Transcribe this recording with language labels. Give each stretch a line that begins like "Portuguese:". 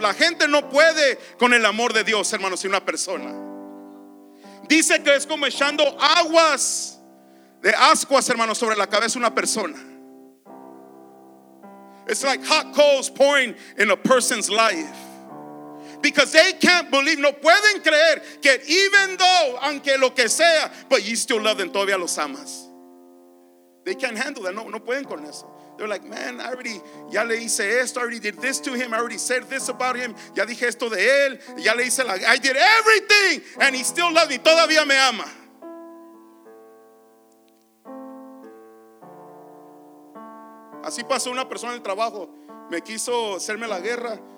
Spanish: La gente no puede con el amor de Dios, hermanos, y una persona. Dice que es como echando aguas de ascuas, hermanos, sobre la cabeza de una persona.
English: It's like hot coals pouring in a person's life. Because they can't believe,
Spanish: no pueden creer que
English: even though,
Spanish: aunque lo que sea,
English: but you still love them,
Spanish: todavía los amas.
English: They can't handle that,
Spanish: no pueden con eso.
English: They're like, man, I already,
Spanish: ya le hice esto,
English: I already did this to him, I already said this about him,
Spanish: ya dije esto de él, ya le hice,
English: I did everything, and he still loves me,
Spanish: todavía me ama. Así pasó una persona en el trabajo, me quiso hacerme la guerra.